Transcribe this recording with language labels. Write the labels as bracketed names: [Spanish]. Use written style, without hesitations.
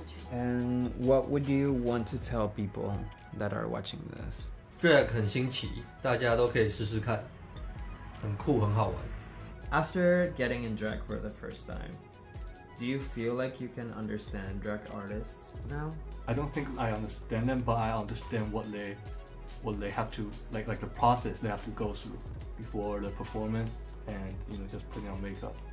[English] And what would you want to tell people that are watching this? [Chinese] Drag 很新奇，大家都可以试试看，很酷，很好玩。 [English] After getting in drag for the first time, do you feel like you can understand drag artists now? I don't think I understand them, but I understand what they have to, like the process they have to go through before the performance and, you know, just putting on makeup.